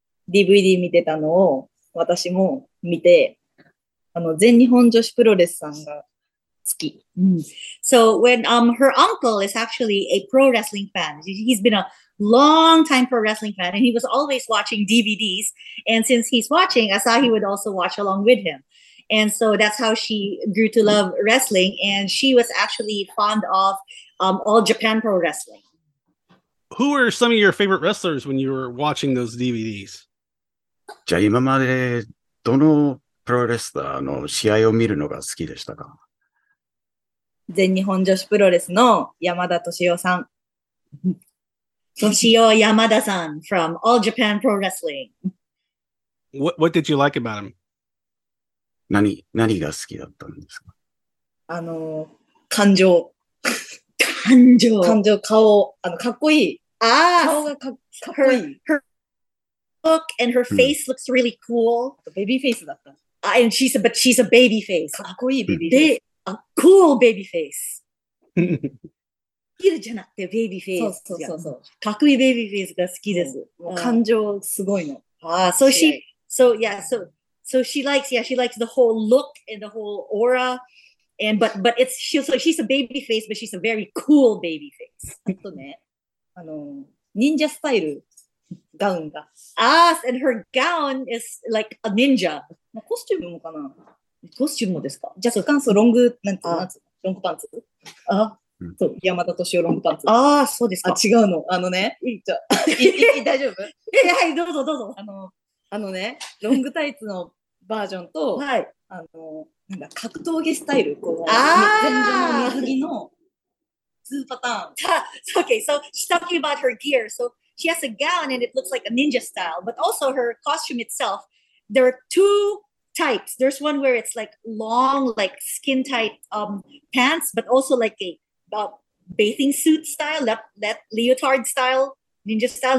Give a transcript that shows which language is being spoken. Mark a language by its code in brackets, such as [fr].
[ja] DVD 見てたのを私も見て、全日本女子プロレスさんが好き。 [en] So when her uncle is actually a pro wrestling fan, he's been a long time pro wrestling fan, and he was always watching DVDs. And since he's watching, Asahi would also watch along with him. And so that's how she grew to love wrestling. And she was actually fond of all Japan Pro Wrestling. Who were some of your favorite wrestlers when you were watching those DVDs? [ja] じゃあ今までどのプロレスラーの試合を見るのが好きでしたか？全日本女子プロレスの山田敏夫さん。 [en] 敏夫山田さん from All Japan Pro Wrestling. What did you like about him? [ja] 何が好きだったんですか？感情。感情。感情、顔、かっこいい。ああ、顔がかっこいい。 [en] Look and her face looks really cool. [ja] Baby face だった。 [en] And she's a baby face. [ja] かっこいいベビーフェイス。 [en] A cool baby face. [ja] ヒルじゃなくてベビーフェイス。そう。かっこいいベビーフェイスが好きです。感情すごいの。 [en] ああ、so she, so yeah, so, so she likes, yeah, she likes the whole look and the whole aura. And, but it's, she's a baby face, but she's a very cool baby face. ninja style. [ja] ガウンが。 [en] Ah, and her gown is like a ninja. [ja] コスチュームもかな？コスチュームもですか？じゃあ、そう、感想、ロング、なんつうの？ロングパンツ？あ、そう、山田敏夫ロングパンツ。ああ、そうですか。あ、違うの。あのね、いい、じゃあ、大丈夫？はい、どうぞどうぞ。あのね、ロングタイツのバージョンと、はい。なんだ、格闘技スタイル、こう、ああ、全然の水着の、ツーパターン。 [en] Okay, so she's talking about her gear. So,She has a gown and it looks like a ninja style, but also her costume itself, there are two types. There's one where it's like long, like skin tight pants, but also like a bathing suit style, that leotard style, ninja style.